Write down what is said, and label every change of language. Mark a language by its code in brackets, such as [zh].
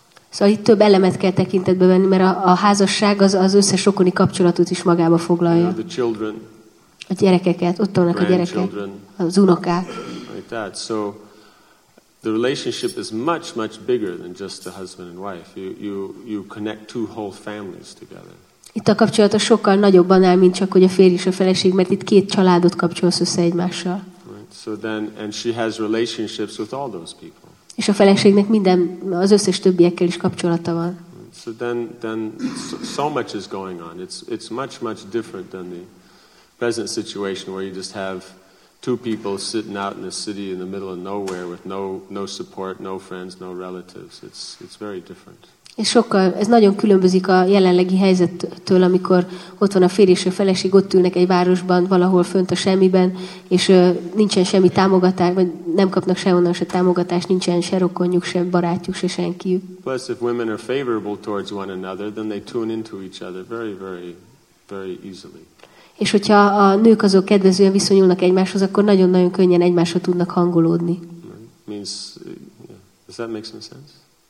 [hu] Szóval itt több elemet kell tekintetbe venni, mert a házasság az összes rokoni kapcsolatot is magába foglalja. [en] The children, [hu] a gyerekeket, ott vannak a gyerekek, az unokák. [en] Like that. So the relationship is much, much bigger than just the husband and wife. You connect two whole families together. [hu] Itt a kapcsolata sokkal nagyobb annál, mint csak, hogy a férj és a feleség, mert itt két családot kapcsolsz össze egymással. [en] Right. So then, and she has relationships with all those people. [hu] És a feleségnek minden, az összes többiekkel is kapcsolata van. [en] So then so much is going on. It's much, much different than the present situation where you just have two people sitting out in a city in the middle of nowhere with no support, no friends, no relatives. It's very different. [hu] Ez sokkal, ez nagyon különbözik a jelenlegi helyzettől, amikor ott van a férj és a feleség, ott ülnek egy városban, valahol fönt a semmiben, és nincsen semmi támogatás, vagy nem kapnak sehonnan se támogatást, nincsen se rokonjuk, se barátjuk, se senkiük. [en] Plus, if women are favorable towards one another, then they tune into each other very, very, very easily. [hu] És hogyha a nők azok kedvezően viszonyulnak egymáshoz, akkor nagyon-nagyon könnyen egymásra tudnak hangolódni. [en] Means, does that make some sense?